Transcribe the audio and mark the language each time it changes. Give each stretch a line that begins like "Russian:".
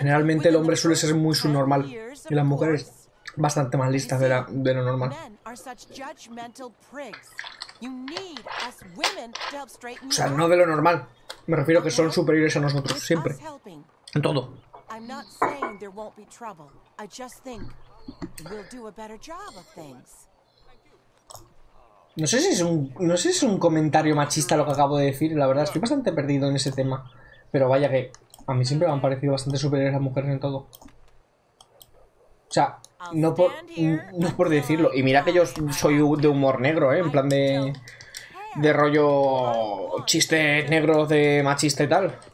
Spanish: Generalmente el hombre suele ser muy subnormal y las mujeres bastante más listas de lo normal.
English: Men are such judgmental pricks. You need us women to help straighten.
Spanish: O sea, no de lo normal. Me refiero que son superiores a nosotros siempre en todo.
English: I'm not saying there won't be trouble. I just think we'll do a better job of things.
Spanish: No sé si es un comentario machista lo que acabo de decir. La verdad, estoy bastante perdido en ese tema. Pero vaya que a mí siempre me han parecido bastante superiores las mujeres en todo. O sea, no por decirlo. Y mira que yo soy de humor negro, ¿eh? En plan de rollo chistes negros de machista y tal.